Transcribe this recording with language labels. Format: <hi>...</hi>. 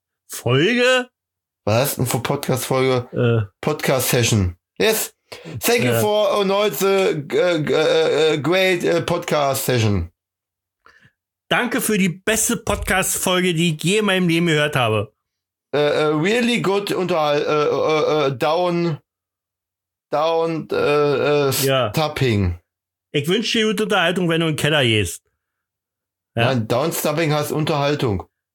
<de>Folge? Was hast du denn für Podcast Folge?</de> <en>Podcast Session. Yes. Thank you for tonight's great podcast session.</en> <de>Danke für die beste Podcast-Folge, die ich je in meinem Leben gehört habe.</de> <en>Really good downstabbing.</en> <de>Ich wünsche dir gute Unterhaltung, wenn du in den Keller gehst. Ja. Nein, downstabbing heißt Unterhaltung.</de>